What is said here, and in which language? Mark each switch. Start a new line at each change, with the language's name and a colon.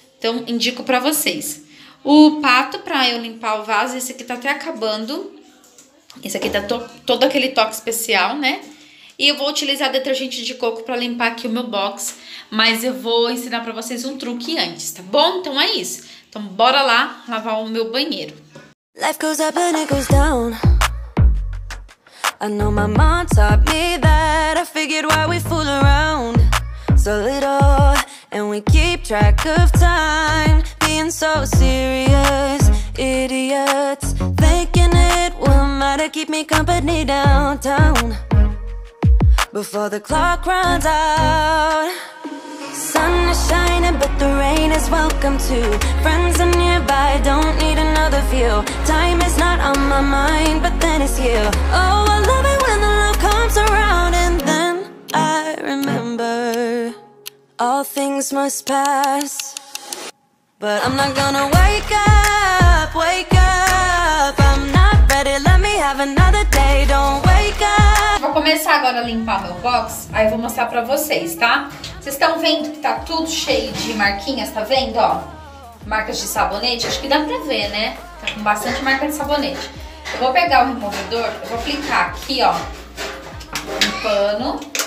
Portuguese: Então, indico pra vocês. O pato pra eu limpar o vaso, esse aqui tá até acabando. Esse aqui tá todo aquele toque especial, né? E eu vou utilizar detergente de coco pra limpar aqui o meu box. Mas eu vou ensinar pra vocês um truque antes, tá bom? Então é isso. Então bora lá lavar o meu banheiro.
English: Life goes up and it goes down. I know my mom taught me that. I figured why we fool around so little, and we keep track of time, being so serious idiots, thinking it will matter, keep me company downtown before the clock runs out. Sun is shining, but the rain is welcome too. Friends are nearby, don't need another view. Time is not on my mind, but then it's you. Oh, I love it when the love comes around, and then I remember all things must pass. But I'm not gonna wake up, I'm not ready. Let me have another day, don't wake up.
Portuguese: começar agora a limpar meu box, aí eu vou mostrar pra vocês, tá? Vocês estão vendo que tá tudo cheio de marquinhas, tá vendo, ó? Marcas de sabonete, acho que dá pra ver, né? Tá com bastante marca de sabonete. Eu vou pegar o removedor, eu vou aplicar aqui, ó, um pano.